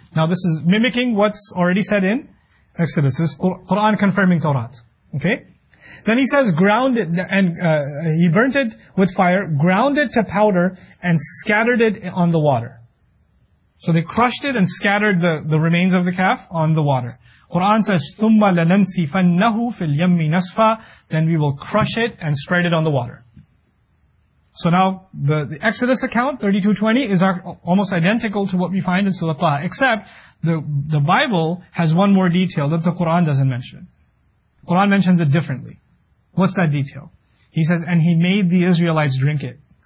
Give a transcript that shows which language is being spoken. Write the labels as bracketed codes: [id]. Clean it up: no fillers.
[en] Now this is mimicking what's already said in Exodus. This is Quran confirming Torah. Okay, then he says, ground it, and he burnt it with fire, ground it to powder, and scattered it on the water. So they crushed it and scattered the remains of the calf on the water. Quran says, [ar] ثُمَّ لَنَنْسِفَنَّهُ فِي الْيَمِّ نَسْفَى. [en] Then we will crush it and spread it on the water. So now, the Exodus account, 32:20, is almost identical to what we find in Surah Taha, except the Bible has one more detail that the Quran doesn't mention. Quran mentions it differently. What's that detail? He says, and he made the Israelites drink it.